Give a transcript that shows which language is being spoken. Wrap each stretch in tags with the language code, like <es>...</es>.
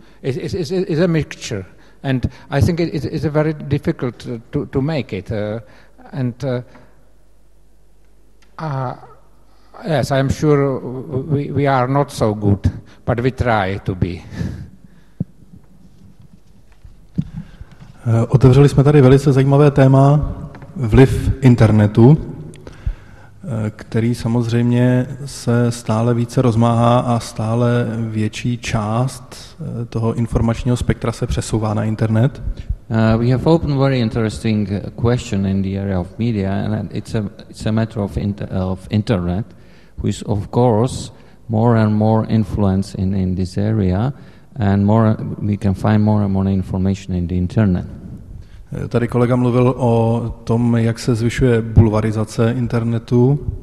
<en>It's a mixture, and I think it's a very difficult to make it. And yes, I'm sure we are not so good, but we try to be.</en> <cs>Otevřeli jsme tady velice zajímavé téma vliv internetu, který samozřejmě se stále více rozmáhá a stále větší část toho informačního spektra se přesouvá na internet.</cs> <en>We have opened a very interesting question in the area of media, and it's a matter of internet, which of course more and more influence in this area, and more we can find more and more information in the internet.</en> <cs>Tady kolega mluvil o tom, jak se zvyšuje bulvarizace internetu.</cs>